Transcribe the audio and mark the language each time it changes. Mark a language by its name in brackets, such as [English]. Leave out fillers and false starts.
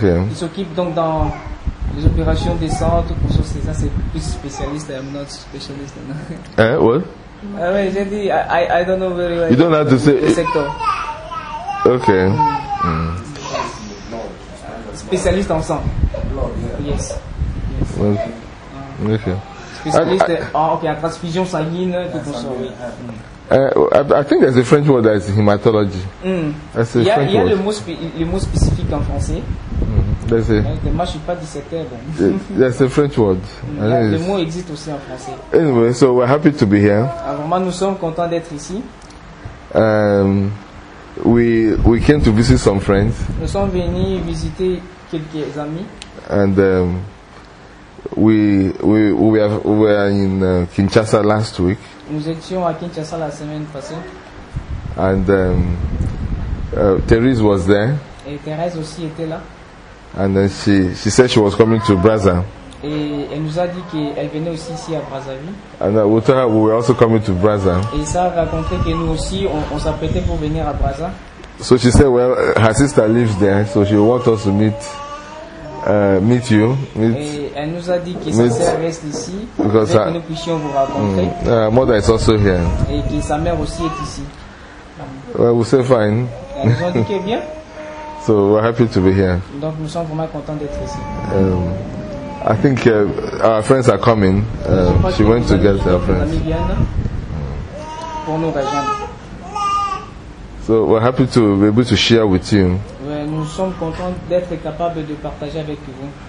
[French] Il s'occupe donc dans les opérations des sangs, tout ça. C'est ça, c'est plus spécialiste. [English] I'm not specialist. [French] Hein? [English] What? [French] Ouais, j'ai dit, [English] I don't know very well. You don't have to say. [French] Le secteur. Ok. Spécialiste en sang. Yes. Ok. En transfusion sanguine, tout pour ça, oui. [English] I think there's a French word that is hematology. [French] Il y a le mot spécifique en français. Moi, je suis pas dissecteur. [English] There's a French word. [French] Le mot existe aussi en français. [English] Anyway, so we're happy to be here. [French] Vraiment, nous sommes contents d'être ici. [English] We came to visit some friends. [French] Nous sommes venus visiter quelques amis. [English] And we were in Kinshasa last week. [French] Nous étions à Kinshasa la semaine passée. [English] And Therese was there. [French] Et Therese aussi était là. [English] And then she said she was coming to Brazza. [French] Et elle nous a dit qu'elle venait aussi ici à Brazzaville. [English] And we told her we were also coming to Brazza. [French] Et ça a raconté que nous aussi on s'apprêtait pour venir à Brazza. [English] So she said, well, her sister lives there, so she wants us to meet. Meet you. Meet, [French] et elle nous a dit que sa sœur reste ici pour que nous puissions vous raconter. [English] Her mother is also here. [French] Et que sa mère aussi est ici. [English] Well, we say fine. [French] Elle nous a dit que bien. [English] So we're happy to be here. [French] Donc nous sommes vraiment contents d'être ici. [English] I think our friends are coming. She went to get her friends. [French] Amis viennent pour nous rejoindre. [English] So we're happy to be able to share with you. [French] Nous sommes contents d'être capables de partager avec vous.